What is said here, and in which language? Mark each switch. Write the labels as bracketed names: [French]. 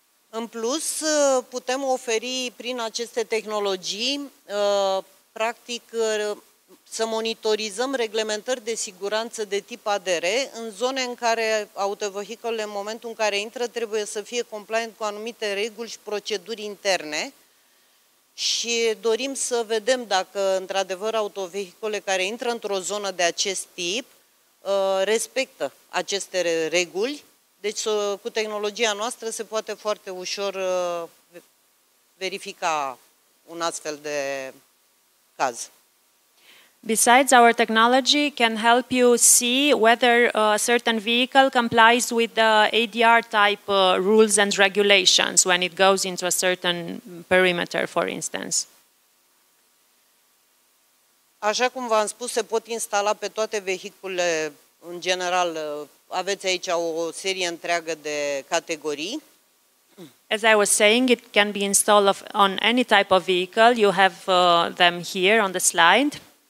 [Romanian] În plus, putem oferi prin aceste tehnologii, practic, să monitorizăm reglementări de siguranță de tip ADR în zone în care autovehicolele, în momentul în care intră, trebuie să fie compliant cu anumite reguli și proceduri interne și dorim să vedem dacă, într-adevăr, autovehicolele care intră într-o zonă de acest tip respectă aceste reguli. Deci, cu tehnologia noastră se poate foarte ușor verifica un astfel de caz. [English] Besides, our technology can help you see whether a certain vehicle complies with the ADR type rules and regulations when it goes into a certain perimeter, for instance. [Romanian] Așa cum v-am spus, se pot instala pe toate vehiculele în general. Aveți aici o serie întreagă de categorii. [English] As I was saying, it can be installed on any type of vehicle. You have them here on the slide.